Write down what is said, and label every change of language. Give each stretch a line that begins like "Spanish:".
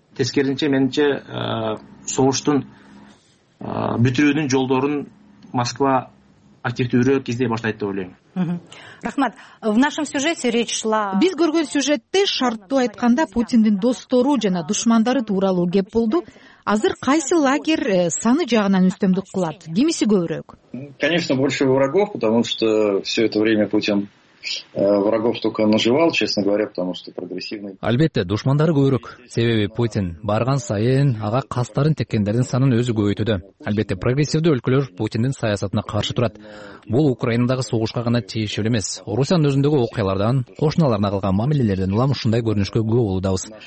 Kyrgyz: Тескеринче менче согуштун бүтүрүүнүн жолдорун Москва активдүүрөөк издей баштайт деп ойлойм. Рахмат.
Russian: В нашем сюжете речь шла.
Kyrgyz: Биз көргөн сюжетте шарттуу айтканда Путиндин достору жана душмандары тууралуу кеп болду. Азыр кайсы лагерь саны жагынан үстөмдүк кылат? Кимиси көбүрөөк?
Russian: Конечно, больше врагов, потому что все это время Путин врагов только наживал, честно говоря, потому что прогрессивный.
Kyrgyz: Албетте, душмандары көбүрөөк. Себеби Путин барган сайын ага кастарын теккендердин санын өзү көбөйтүүдө. Албетте, прогрессивдүү өлкөлөр Путиндин саясатына каршы турат. Бул Украинадагы согушка гана тиешелүү эмес. Орусиянын өзүндөгү окуялардан, кошуналарына кылган мамилелерден улам ушундай көрүнүшкө күбө болуудабыз.